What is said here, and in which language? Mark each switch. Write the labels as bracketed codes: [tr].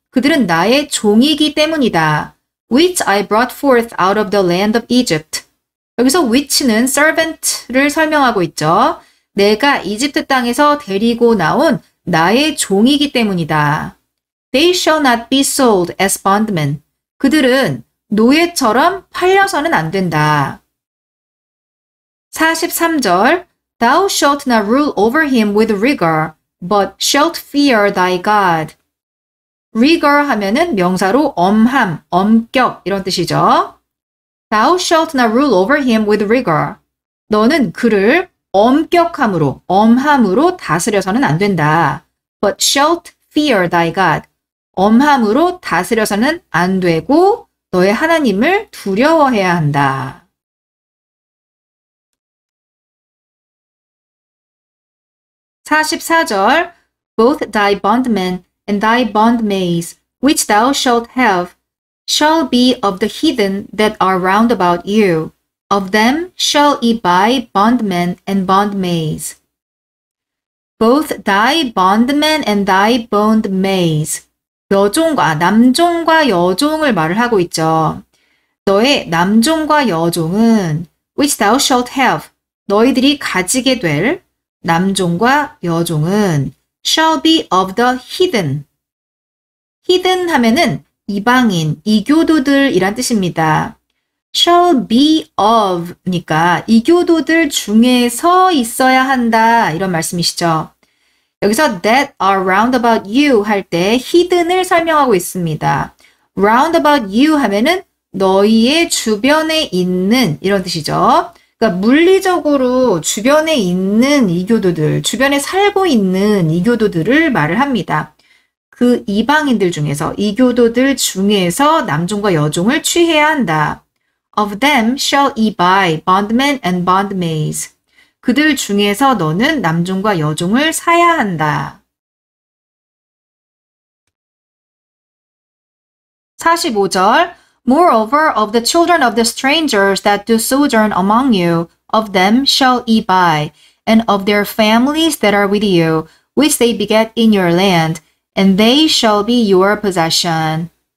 [ko] 그들은 나의 종이기 때문이다. [en] Which I brought forth out of the land of Egypt. [ko] 여기서 which는 servant를 설명하고 있죠. 내가 이집트 땅에서 데리고 나온 나의 종이기 때문이다. [en] They shall not be sold as bondmen. [ko] 그들은 노예처럼 팔려서는 안 된다. [en] 43절 Thou shalt not rule over him with rigor, but shalt fear thy God. [ko] rigor 하면은 명사로 엄함, 엄격 이런 뜻이죠. [en] Thou shalt not rule over him with rigor. [ko] 너는 그를 엄격함으로, 엄함으로 다스려서는 안 된다. [en] But shalt fear thy God. [ko] 엄함으로 다스려서는 안 되고 너의 하나님을 두려워해야 한다. [en] 44절 Both thy bondmen and thy bondmaids, which thou shalt have, shall be of the heathen that are round about you. Of them shall ye buy bondmen and bondmaids. Both thy bondmen and thy bondmaids. [ko] 여종과, 남종과 여종을 말을 하고 있죠. 너의 남종과 여종은 [en] which thou shalt have, [ko] 너희들이 가지게 될 남종과 여종은 [en] shall be of the heathen. [ko] heathen 하면은 이방인, 이교도들이란 뜻입니다. [en] shall be of [ko] 니까 이교도들 중에서 있어야 한다 이런 말씀이시죠. 여기서 [en] that are round about you [ko] 할 때 heathen을 설명하고 있습니다. [en] round about you [ko] 하면은 너희의 주변에 있는 이런 뜻이죠. 그러니까 물리적으로 주변에 있는 이교도들, 주변에 살고 있는 이교도들을 말을 합니다. 그 이방인들 중에서, 이교도들 중에서 남종과 여종을 취해야 한다. [en] Of them shall ye buy bondmen and bondmaids. [ko] 그들 중에서 너는 남종과 여종을 사야 한다. [en] 45절 Moreover, of the children of the strangers that do sojourn among you, of them shall ye buy, and of their families that are with you, which they beget in your land, and they shall be your possession.